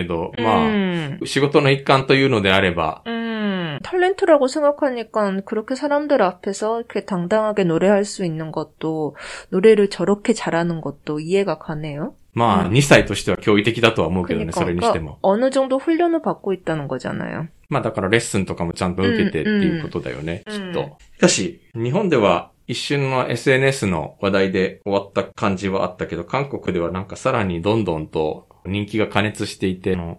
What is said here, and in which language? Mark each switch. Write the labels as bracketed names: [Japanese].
[Japanese] 素人だったらね、と思うけれど、仕事の一環というのであれば。 [Korean] 탤런트라고 생각하니까 그렇게 사람들 앞에서 이렇게 당당하게 노래할 수 있는 것도 노래를 저렇게 잘하는 것도 이해가 가네요. [Japanese] 2歳としては驚異的だとは思うけどね、それにしても。 [Korean] 어느 정도 훈련을 받고 있다는 거잖아요. [Japanese] だからレッスンとかもちゃんと受けてっていうことだよね、きっと。しかし、日本では一瞬の SNSの話題で終わった感じはあったけど、韓国ではなんかさらにどんどんと人気が加熱していて、